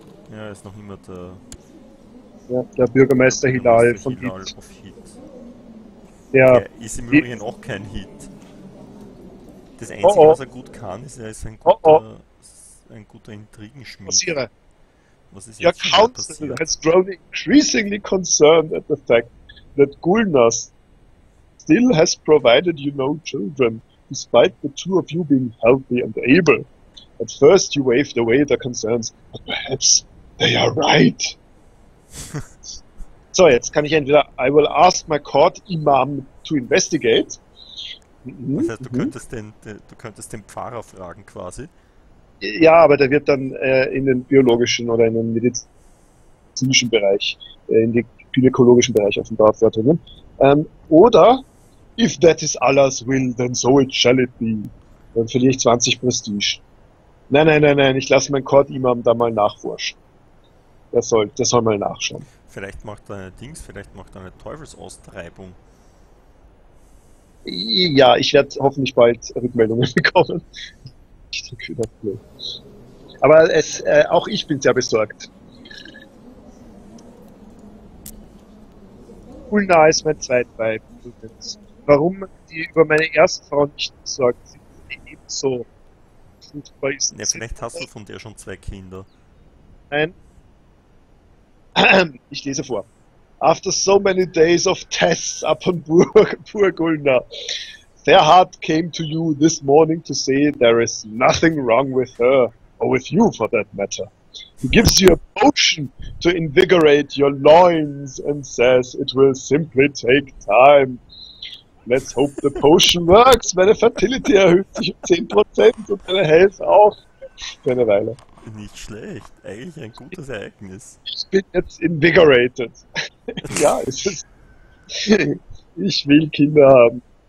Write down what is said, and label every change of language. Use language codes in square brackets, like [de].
[de] Ja, er ist noch immer der... Ja, der Bürgermeister Hilal von Hilal [en] of Hit. [de] Ja. Der ist im Übrigen auch kein Hit. Das Einzige, was er gut kann, ist, er ist ein guter, ein guter Intrigenschmied. Passiere. Was ist jetzt passiert? [en] Your council has grown increasingly concerned at the fact that Gulnas still has provided you no children, despite the two of you being healthy and able. At first you waved away their concerns, but perhaps they are right. [de] So, jetzt kann ich entweder [en] I will ask my court imam to investigate. [de] Das heißt, du könntest den Pfarrer fragen quasi. Ja, aber der wird dann in den biologischen oder in den medizinischen Bereich, in den gynäkologischen Bereich offenbar vordringen. Oder [en] if that is Allah's will, then so it shall it be. [de] Dann verliere ich 20 Prestige. Nein, ich lasse meinen Court Imam da mal nachforschen. Der soll mal nachschauen. Vielleicht macht er eine Teufelsaustreibung. Ja, ich werde hoffentlich bald Rückmeldungen bekommen. Ich denke, das ist blöd. Aber auch ich bin sehr besorgt. Ulna ist mein Zweitweib. Warum die über meine Erstfrau nicht besorgt sind, die ebenso fruchtbar ist. Ja, vielleicht hast du von der schon zwei Kinder. Nein. Ich lese vor. [en] After so many days of tests upon poor Gulna, Therhard came to you this morning to say there is nothing wrong with her, or with you for that matter. He gives you a potion to invigorate your loins and says it will simply take time. Let's hope the potion works. [de] Meine Fertility erhöht sich um 10% und deine Health auch für eine Weile. Nicht schlecht. Eigentlich ein gutes Ereignis. Ich bin jetzt invigorated. Ja, es ist... Ich will Kinder haben.